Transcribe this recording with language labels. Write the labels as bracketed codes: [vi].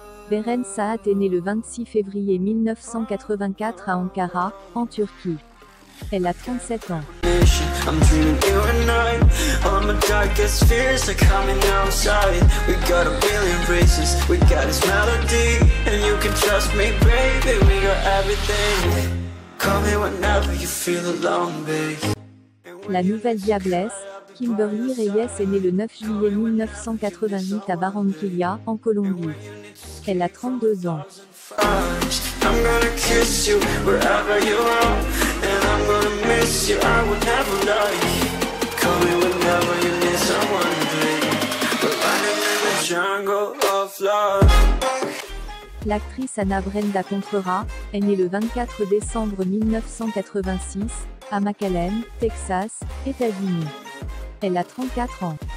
[fr] Beren Saat est née le 26 février 1984 à Ankara, en Turquie. Elle a 37 ans. [en] I'm dreaming you and I. All my darkest fears are coming outside. We got a billion races, we got this melody. And you can trust me, baby, we got everything. Call me whenever you feel alone, baby. [fr] La nouvelle diablesse, Kimberly Reyes, est née le 9 juillet 1988 à Barranquilla, en Colombie. Elle a 32 ans. [en] I'm gonna kiss you wherever you are, and I'm gonna miss you, I would never lie. Call me whenever you need someone, baby. We're running in the jungle of love. [fr] L'actrice Ana Brenda Contrera est née le 24 décembre 1986 à McAllen, Texas, États-Unis. Elle a 34 ans.